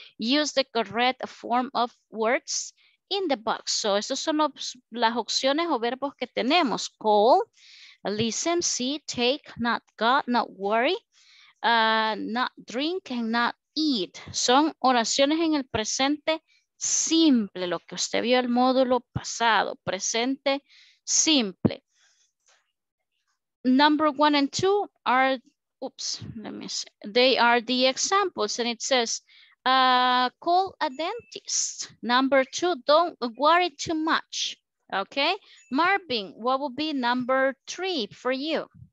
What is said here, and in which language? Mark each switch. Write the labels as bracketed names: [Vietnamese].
[English] Use the correct form of words in the box. [Spanish] So estos son las opciones o verbos que tenemos. [English] Call, listen, see, take, not got, not worry, not drink, and not eat. [Spanish] Son oraciones en el presente simple, lo que usted vio el módulo pasado, presente simple. [English] Number one and two are, oops, let me see. They are the examples and it says, call a dentist. Number two, don't worry too much, okay? Marvin, what would be number three for you?